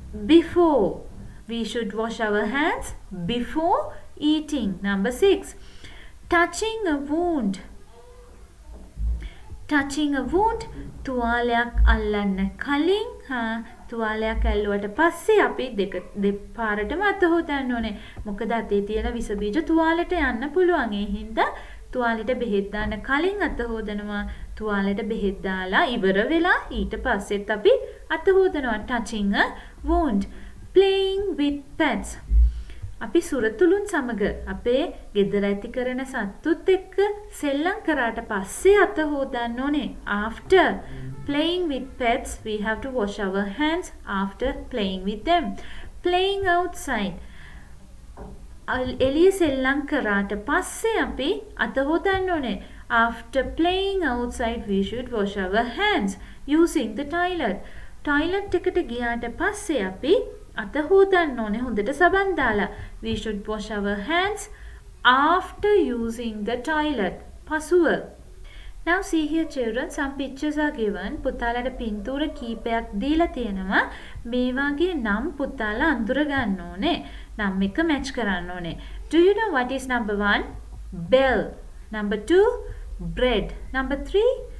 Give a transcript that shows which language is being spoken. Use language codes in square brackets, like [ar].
[en] Before, we should wash our hands before eating. Number 6, touching a wound. Touching a wound, [si] තුවාලයක් අල්ලන්න කලින් තුවාලයක් ඇල්ලුවට පස්සේ අපි දෙක දෙපාරටම අත හොදන්න ඕනේ. මොකද අතේ තියෙන විස බීජ තුවාලෙට යන්න පුළුවන්. ඒ හින්දා තුවාලෙට බෙහෙත් දාන්න කලින් අත හොදනවා. තුවාලෙට බෙහෙත් දාලා ඉවර වෙලා ඊට පස්සෙත් අපි අත හොදනවා. [en] Touching a wound. Playing with pets. [si] අපි සුරතුළුන් සමග අපේ ගෙදර ඇති කරන සත්තුත් එක්ක සෙල්ලම් කරාට පස්සේ අත හොදන්න ඕනේ. [en] After playing with pets, we have to wash our hands after playing with them. Playing outside. [si] එළිය සෙල්ලම් කරාට පස්සේ අපි අත හොදන්න ඕනේ. [en] After playing outside, we should wash our hands using the toilet. [si] Toilet එකට ගියාට පස්සේ අපි අත හොදන්න ඕනේ හොඳට සබන් දාලා. [en] We should wash our hands after using the toilet. [si] පසුව. [en] Now see here children, some pictures are given. [si] පුතාලට පින්තූර කීපයක් දීලා තියෙනවා. මේ වගේ නම් පුතාලා අඳුර ගන්න ඕනේ. නම් එක මැච් කරන්න ඕනේ. [en] Do you know what is number 1? Bell. Number 2? Bread. Number 3?